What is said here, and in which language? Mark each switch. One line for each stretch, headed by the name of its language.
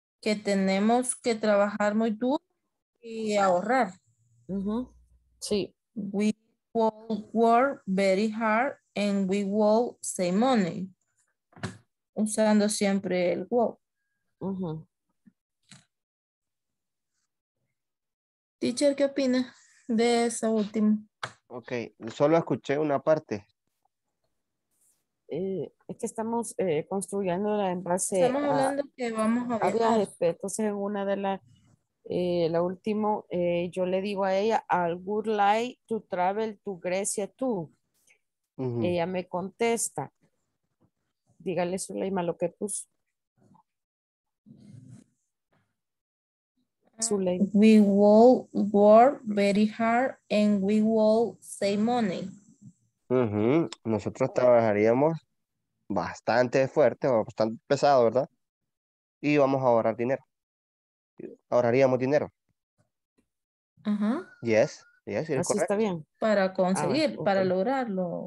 Spanish: Que tenemos que trabajar muy duro y ahorrar. Uh-huh. Sí.
English: We will work very hard and we will save money.
Spanish: Usando siempre el will. Uh-huh. Teacher, ¿qué opina de esa última? Ok, solo escuché una parte. Es que estamos construyendo la en base. Estamos hablando que vamos a hablar. Entonces, en una de las, la última, yo le digo a ella,
English: I would like to travel to Grecia too.
Spanish: Uh-huh. Ella me contesta. Dígale, Zuleima, lo que puso.
English: We will work very hard and we will save money. Uh-huh.
Spanish: Nosotros trabajaríamos bastante fuerte o bastante pesado, ¿verdad? Y vamos a ahorrar dinero. Ahorraríamos dinero. Uh-huh.
English: Yes, yes,
Spanish: así correcto. Está bien. Para conseguir, okay. Para lograrlo.